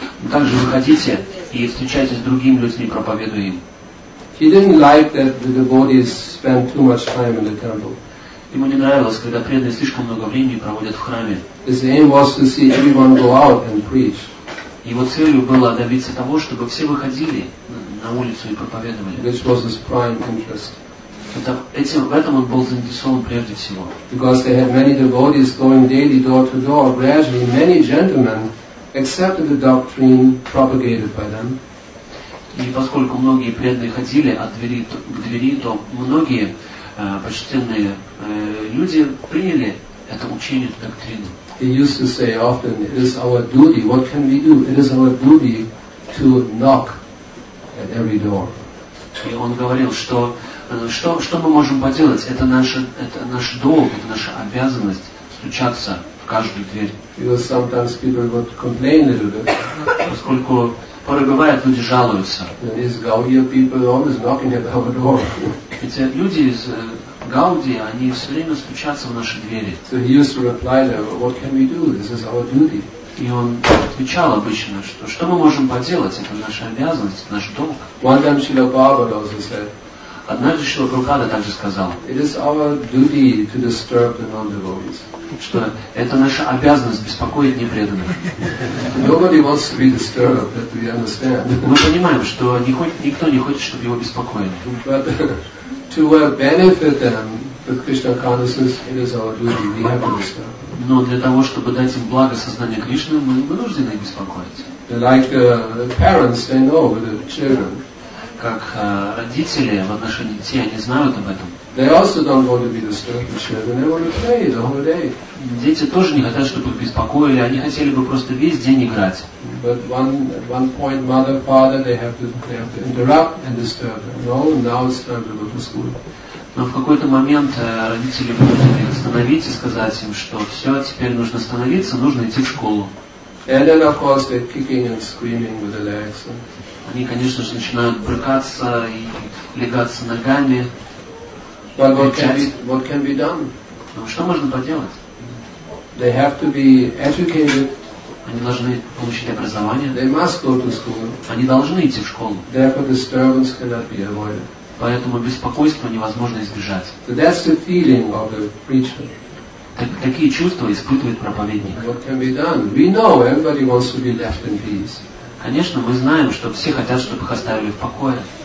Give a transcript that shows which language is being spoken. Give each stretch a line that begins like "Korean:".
Russian: Также выходите и встречайтесь с другими людьми, проповедуя им.
English: He didn't like that the devotees spend too much time in the temple.
Russian: Ему не нравилось, когда преданные слишком много времени проводят в храме.
English: His aim was to see everyone go out and preach.
Russian: Его целью было добиться того, чтобы все выходили на улицу и проповедовали.
English: This was his prime interest.
Russian: В этом он был заинтересован прежде всего.
English: Because they had many devotees going daily door to door, gradually many gentlemen accepted the doctrine propagated by them.
Russian: И поскольку многие преданные ходили от двери к двери, то многие почтенные люди приняли это учение, эту доктрину.
English: He used to say often, it is our duty, what can we do? It is our duty to knock at every door.
Russian: И он говорил, что что мы можем поделать? Это наш долг, это наша обязанность стучаться в каждую дверь.
English: Because sometimes people would complain a little bit.
Russian: Поскольку порой бывает, люди жалуются.
English: These Gaudiya people always knocking at our door.
Russian: Эти люди из Гауди, они все время стучатся в наши двери.
English: So he used to reply them, what can we do? This is our duty.
Russian: И он отвечал обычно, что мы можем поделать? Это наша обязанность, наш долг.
English: One time Srila Prabhupada also said.
Russian: Однажды Шрила Прабхупада также сказал,
English: it is our duty to disturb the non-devotees.
Russian: Что это наша обязанность беспокоить непреданных.
English: Nobody wants to be disturbed, that we understand.
Russian: Мы понимаем, что никто не хочет, чтобы его беспокоили.
English: But to benefit them with Krishna consciousness, it is our duty, we have to disturb.
Russian: Но для того, чтобы дать им благо сознания Кришны, мы вынуждены их беспокоить.
English: Like parents, they know with the children.
Russian: Как родители в отношении детей, они знают об этом.
English: They also don't want to be disturbed, they want to play the whole day.
Russian: Дети тоже не хотят, чтобы их беспокоили, они хотели бы просто весь день играть.
English: But one point, mother, father, they have to interrupt and disturb. No, now it's time to go to school.
Russian: Но в какой-то момент родители будут их остановить и сказать им, что все, теперь нужно остановиться, нужно идти в школу.
English: And then, of course, they're kicking and screaming with the legs.
Russian: Они, конечно же, начинают брыкаться и легаться ногами.
English: But what can be done?
Russian: Но что можно поделать?
English: They have to be educated.
Russian: Они должны получить образование.
English: They must go to school.
Russian: Они должны идти в школу.
English: Therefore, disturbance cannot be avoided.
Russian: Поэтому беспокойство невозможно избежать.
English: So that's the feeling of the preacher.
Russian: Такие чувства испытывает проповедник.
English: What can be done? We know everybody wants to be left in peace.
Russian: Конечно, мы знаем, что все хотят, чтобы их оставили в покое.